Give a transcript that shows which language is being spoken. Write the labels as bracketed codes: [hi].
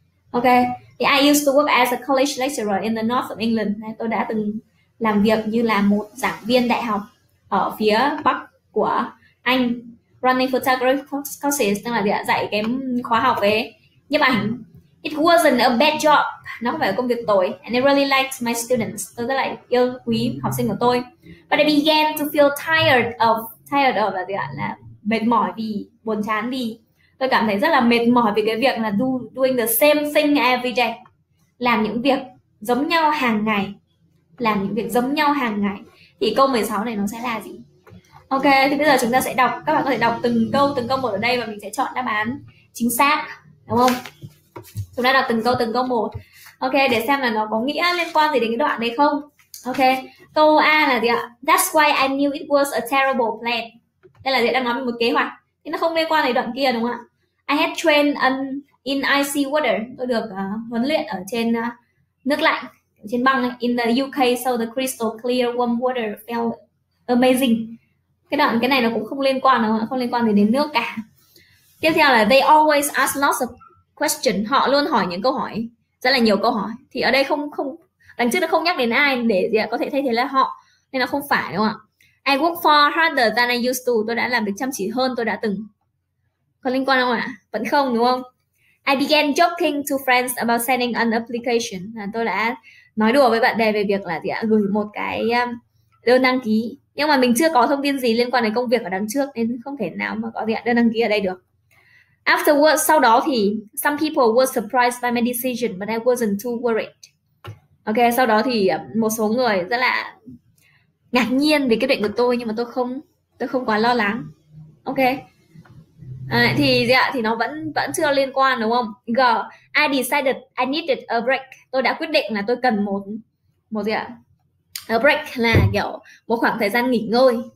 [en] Ok, thì I used to work as a college lecturer in the north of England. [vi] Tôi đã từng làm việc như là một giảng viên đại học ở phía Bắc của anh Running Photography Courses, tức là để dạy cái khóa học về nhiếp ảnh. [en] It wasn't a bad job. [vi] Nó không phải là công việc tồi. [en] And I really liked my students. [vi] Tôi rất là yêu quý học sinh của tôi. [en] But I began to feel tired of [vi] là gì ạ? Là mệt mỏi vì buồn chán đi. Tôi cảm thấy rất là mệt mỏi vì cái việc là [en] doing the same thing every day. [vi] Làm những việc giống nhau hàng ngày. Làm những việc giống nhau hàng ngày. Thì câu 16 này nó sẽ là gì? Ok, thì bây giờ chúng ta sẽ đọc. Các bạn có thể đọc từng câu một ở đây và mình sẽ chọn đáp án chính xác, đúng không? Chúng ta đọc từng câu một. Ok, để xem là nó có nghĩa liên quan gì đến cái đoạn này không. Ok, câu A là gì ạ? [en] That's why I knew it was a terrible plan. [vi] Đây là gì? Đang nói về một kế hoạch. Thì nó không liên quan đến đoạn kia đúng không ạ? [en] I had trained in icy water. [vi] Tôi được huấn luyện ở trên nước lạnh, trên băng. [en] In the UK, so the crystal clear warm water felt amazing. [vi] Cái này nó cũng không liên quan đâu, không liên quan gì đến nước cả. Tiếp theo là [en] they always ask lots of question, [vi] họ luôn hỏi những câu hỏi, rất là nhiều câu hỏi. Thì ở đây không không đằng trước nó không nhắc đến ai để gì ạ? Có thể thay thế là họ, nên là không phải đúng không ạ? [en] I work for harder than I used to, [vi] tôi đã làm việc chăm chỉ hơn tôi đã từng. Có liên quan không ạ? Vẫn không đúng không? [en] I began joking to friends about sending an application, [vi] là tôi đã nói đùa với bạn bè về việc là gì ạ? Gửi một cái đơn đăng ký, nhưng mà mình chưa có thông tin gì liên quan đến công việc ở đằng trước nên không thể nào mà có gì ạ? Đơn đăng ký ở đây được. [en] Afterwards, [vi] sau đó thì [en] some people were surprised by my decision, but I wasn't too worried. [vi] Ok, sau đó thì một số người rất là ngạc nhiên vì quyết định của tôi, nhưng mà tôi không quá lo lắng. Ok. À, thì gì ạ? Thì nó vẫn vẫn chưa liên quan đúng không? G, [en] I decided I needed a break. [vi] Tôi đã quyết định là tôi cần một một gì ạ? A break là kiểu một khoảng thời gian nghỉ ngơi.